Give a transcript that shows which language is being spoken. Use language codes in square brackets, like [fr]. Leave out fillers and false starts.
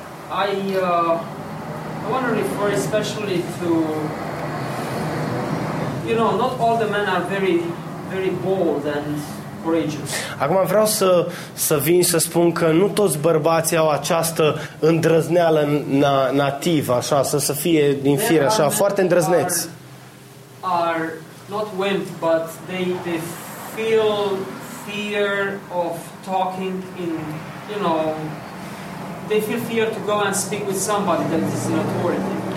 [en] I want to refer especially to, you know, not all the men are very, very bold and courageous. [ro] Acum vreau să vin să spun că nu toți bărbații au această îndrăzneală nativă, așa, să fie din fire, așa, foarte îndrăzneți. [en] Are not wimp, but they feel fear of talking in, you know, they feel fear to go and speak with somebody that is in authority.